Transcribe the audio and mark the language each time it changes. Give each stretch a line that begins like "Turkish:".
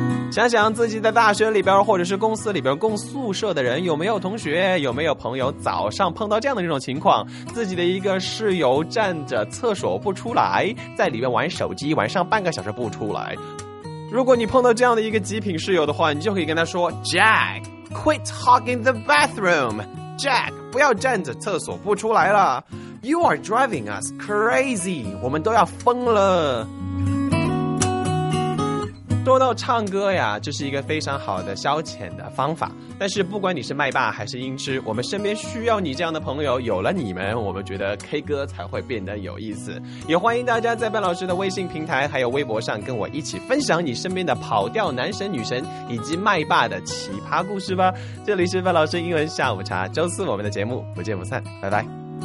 Chinese: 想想自己在大学里边或者是公司里边共宿舍的人，有没有同学有没有朋友早上碰到这样的这种情况，自己的一个室友站着厕所不出来，在里边玩手机玩上半个小时不出来，如果你碰到这样的一个极品室友的话，你就可以跟他说
English: Jack, quit hogging the bathroom.
Chinese: Jack, 不要站着厕所不出来了。
English: You are driving us crazy.
Chinese: 我们都要疯了。说到唱歌呀，这是一个非常好的消遣的方法。但是不管你是麦霸还是音痴，我们身边需要你这样的朋友，有了你们，我们觉得 K 歌才会变得有意思。也欢迎大家在班老师的微信平台还有微博上跟我一起分享你身边的跑调男神女神以及麦霸的奇葩故事吧。这里是班老师英文下午茶，周四我们的节目不见不散，拜拜。